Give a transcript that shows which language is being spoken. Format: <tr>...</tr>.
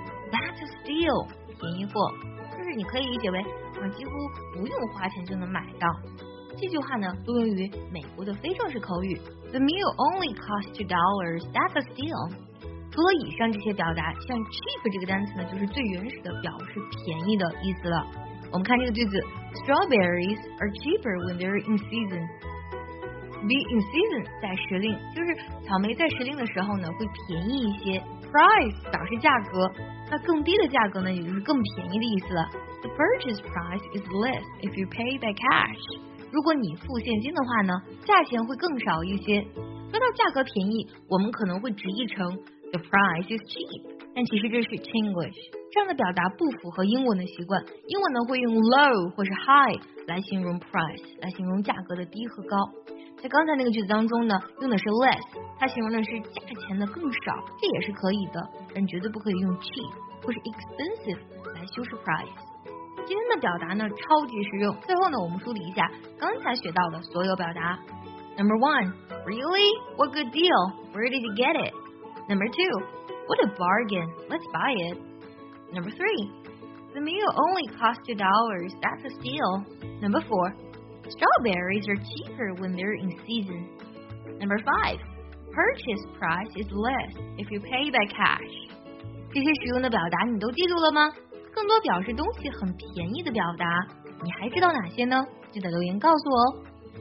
<en>That's a steal，</en> <zh>便宜货，就是你可以理解为几乎不用花钱就能买到。这句话呢，多用于美国的非正式口语。</zh> <en>The meal only cost $2. That's a steal.</en> <zh>除了以上这些表达，像 cheap 这个单词呢，就是最原始的表示便宜的意思了。我们看这个句子</zh> <en>，Strawberries are cheaper when they're in season.</en> <zh>Be in season 在时令，就是草莓在时令的时候呢，会便宜一些。 Price 表示价格，那更低的价格呢，也就是更便宜的意思了。</zh> <en>The purchase price is less if you pay by cash.</en> <zh>如果你付现金的话呢，价钱会更少一些。说到价格便宜，我们可能会直译成</zh> <en>The price is cheap，</en> <zh>但其实这是 Chinglish， 这样的表达不符合英文的习惯。英文呢会用 low 或是 high 来形容 price， 来形容价格的低和高。在刚才那个句子当中呢，用的是 less， 它形容的是价钱的更少，这也是可以的，但绝对不可以用 cheap 或是 expensive 来修饰 price。今天的表达呢超级实用。最后呢，我们梳理一下刚才学到的所有表达。</zh> <en>Number one, really? What good deal? Where did you get it? Number two, what a bargain? Let's buy it. Number three, the meal only cost $2. That's a steal. Number four, strawberries are cheaper when they're in season. Number five, purchase price is less if you pay by cash.</en> <zh>这些实用的表达你都记住了吗？更多表示东西很便宜的表达，你还知道哪些呢？记得留言告诉我哦。</zh>